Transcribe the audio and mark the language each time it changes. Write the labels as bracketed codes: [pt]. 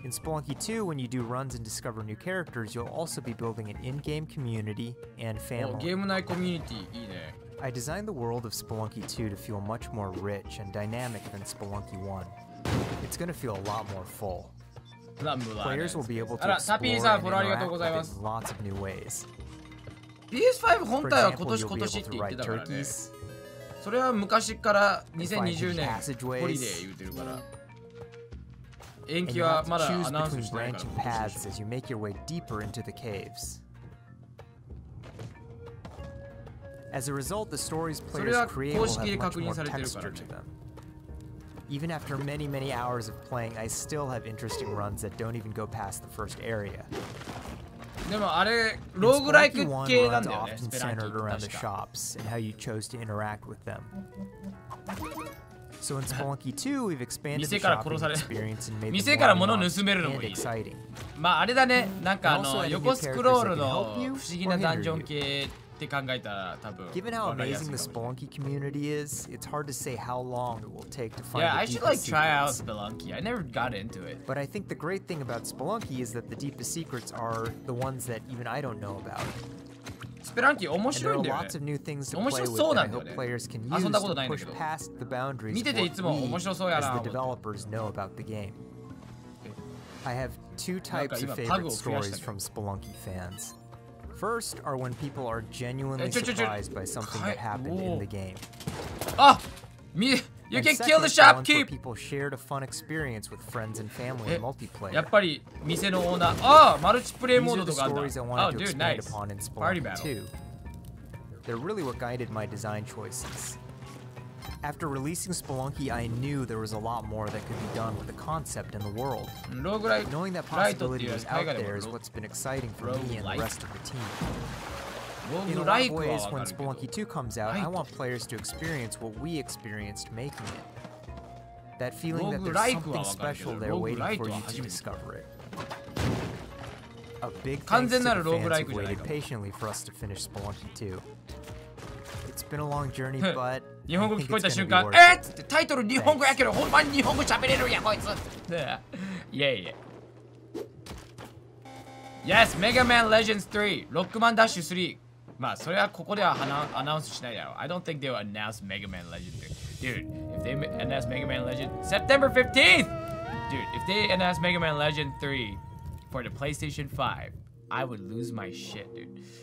[en] In Spelunky 2, when you do runs and discover new characters, you'll also be building an in-game community and family. Oh, game night community, [ja] いいね。 [en] I designed the world of Spelunky 2 to feel much more rich and dynamic than Spelunky 1. It's going to feel a lot more full. Players will be able to explore and interact with it in lots of new ways. [ja] PS5 本体は今年今年って言ってたからね。それは昔から 2020 年ホリデー言ってるから。延期はまだアナウンスしてないから。 [en] And you have to choose paths as you make your way deeper into the caves. As a result, the stories players create will have much more texture to them. Even after many, many hours of playing, I still have interesting runs that don't even go past the first area. Roguelike runs are often centered around the shops and how you chose to interact with them. So in Spelunky 2, we've expanded the shopping experience and made the world more fun and exciting. [ja] まああれだね、なんかあの横スクロールの不思議なダンジョン系。 [en] Given how amazing the Spelunky community is, it's hard to say how long it will take to find yeah, the deepest secrets. Yeah, I should like secrets. Try out Spelunky. I never got into it. But I think the great thing about Spelunky is that the deepest secrets are the ones that even I don't know about. [ja] Spelunky, 面白いんだよね。 [en] And there are lots of new things to play with that I hope players can use to push past the boundaries of what we, as the developers, know about the game. I have two types of favorite stories from Spelunky fans. First are when people are genuinely surprised by something that happened in the game. Oh, me! You can kill the shopkeep. And second, people shared a fun experience with friends and family in multiplayer. [ja] やっぱり店のオーナー。ああ、マルチプレイモードとかあるんだ。 [en] Oh, dude, nice. Party battle. They're really what guided my design choices. After releasing Spelunky, I knew there was a lot more that could be done with the concept and the world. Knowing that possibility was out there is what's been exciting for me and the rest of the team. In a lot of ways, when Spelunky 2 comes out, I want players to experience what we experienced making it. That feeling that there's something special there waiting for you to discover it. A big thanks to the fans who've waited patiently for us to finish Spelunky 2. It's been a long journey, but... [ja] 日本語聞こえた瞬間、えっ！ってタイトル日本語やけど、ほんまに日本語喋れるやこいつ。いやいや。 Yes、Mega Man Legends 3、ロックマンダッシュ3。まあそれはここではアナウンスしないだろう。 [en] I don't think they'll announce Mega Man Legends 3. Dude, if they announce Mega Man Legends September 15th, dude, if they announce Mega Man Legends 3 for the PlayStation 5, I would lose my shit, dude.